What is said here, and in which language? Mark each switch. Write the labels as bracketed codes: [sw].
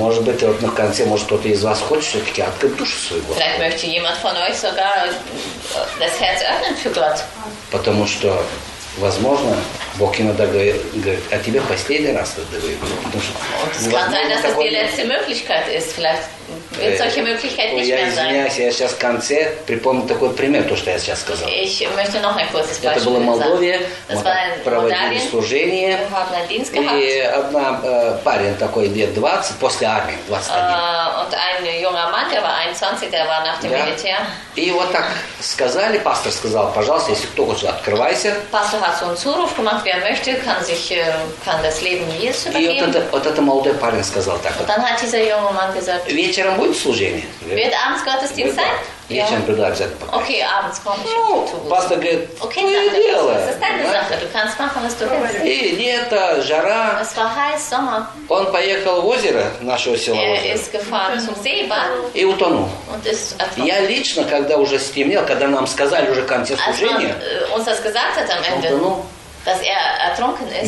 [ru] Может быть, вот, в конце, может, кто-то из вас хочет все-таки открыть душу свою Господу. [de] Vielleicht möchte jemand von euch sogar das Herz öffnen für Gott. [ru] Потому что, возможно, Бог иногда говорит, а тебе последний раз это говорит. [de] Es kann sein, dass das die letzte Möglichkeit ist. Vielleicht wird solche Möglichkeit nicht mehr sein. [ru] Я извиняюсь, я сейчас в конце припомню такой пример, то, что я сейчас сказал. [de] Ich möchte noch ein kurzes Beispiel sagen. [ru] Это было в Молдове. Мы проводили служение. И одна парень такой лет 20, после армии, 21. [de] Und ein junger Mann, der war 21, der war nach dem Militär. [ru] И вот так сказали, пастор сказал, пожалуйста, если кто хочет, открывайся. [de] Pastor hat so einen Zuruf gemacht, wer möchte, kann sich, kann das Leben Jesu übergeben. [ru] И вот этот молодой парень сказал так. [de] Und dann hat dieser junge Mann gesagt, [ru] вечером будет служение? [de] Wird abends Gottesdienst sein? [ru] Вечером приду обязательно покаяться. [de] Окей, abends komm ich. [ru] Пастор говорит, okay, ну и дело. [de] Das ist deine Sache, du kannst machen, was du willst. [ru] И лето, жара. [de] Es war heiß, Sommer. [ru] Он поехал в озеро, нашего села озеро. [de] Er ist gefahren zum Seebad. [ru] И утонул. [de] Und ist ertrunken. [ru] Я лично, когда уже стемнело, когда нам сказали уже конце служения, [de] uns das gesagt hat am Ende, dass er ertrunken ist.